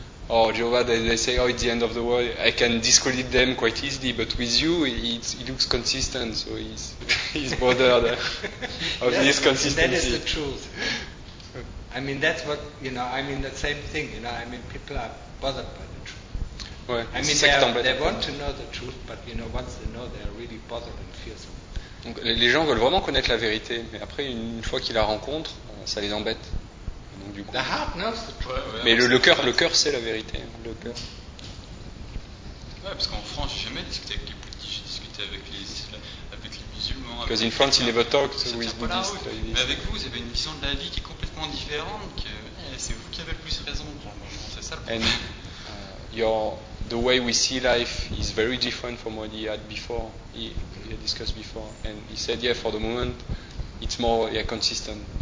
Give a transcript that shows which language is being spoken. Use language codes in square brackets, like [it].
[en] Or Jehovah, they say, oh, it's the end of the world. I can discredit them quite easily, but with you, it looks consistent, so he's bothered of yes, this consistency. That is the truth. I mean, that's what, you know, I mean, the same thing, you know, I mean, people are bothered by the truth. [fr] Ouais, [en] I mean, they want to know the truth, but, you know, once they know, they are really bothered and fearsome. [fr] Donc, les gens veulent vraiment connaître la vérité, mais après, une fois qu'ils la rencontrent, ça les embête. [en] The heart knows the truth. [fr] Ouais, mais le cœur, c'est la vérité. Le cœur. Ouais, parce qu'en France, j'ai jamais discuté avec les politiques, j'ai discuté avec les musulmans. [en] Because in France, you never talk to with Buddhists. [fr] Mais avec vous, vous avez une vision de la vie qui est complètement différente. C'est vous qui avez le plus raison. C'est ça le problème. [en] And the way we see life is very different from what he had before. He had discussed before, and he said, yeah, for the moment, it's more consistent.